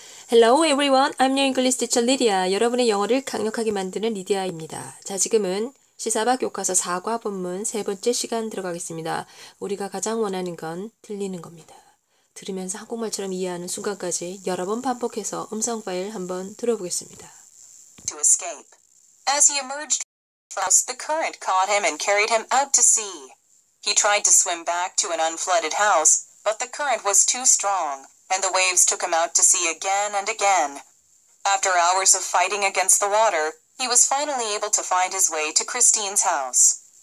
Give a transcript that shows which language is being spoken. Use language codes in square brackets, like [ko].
[en] Hello everyone, I'm your English teacher Lydia. [ko] 여러분의 영어를 강력하게 만드는 리디아입니다. 자, 지금은 시사바 교과서 4과 본문 세 번째 시간 들어가겠습니다. 우리가 가장 원하는 건 들리는 겁니다. 들으면서 한국말처럼 이해하는 순간까지 여러 번 반복해서 음성 파일 한번 들어보겠습니다. [en] To escape. As he emerged, the current caught him and carried him out to sea. He tried to swim back to an unflooded house, but the current was too strong, and the waves took him out to sea again and again. After hours of fighting against the water, he was finally able to find his way to Christine's house.